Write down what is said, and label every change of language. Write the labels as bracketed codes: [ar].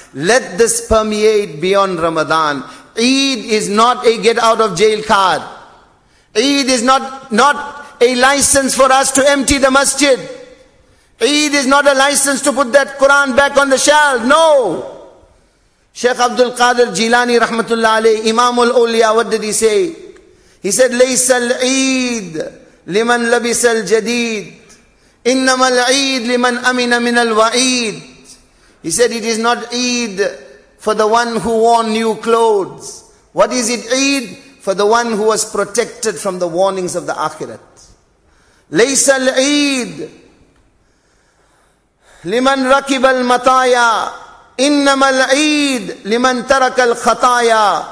[en] Let this permeate beyond Ramadan. Eid is not a get out of jail card. Eid is not a license for us to empty the masjid. Eid is not a license to put that Quran back on the shelf. No! Sheikh Abdul Qadir Jilani rahmatullah alayhi, Imam al-Awliya, what did he say? He said, [ar] لَيْسَ الْعِيدِ لِمَنْ لَبِسَ الْجَدِيدِ إِنَّمَا الْعِيدِ لِمَنْ أَمِنَ مِنَ الْوَعِيدِ. [en] He said, it is not Eid for the one who wore new clothes. What is it Eid? For the one who was protected from the warnings of the Akhirat. [ar] لَيْسَ الْعِيدِ لِمَنْ رَكِبَ الْمَطَايَا إِنَّمَا الْعِيدِ لِمَنْ تَرَكَ الْخَطَايَا.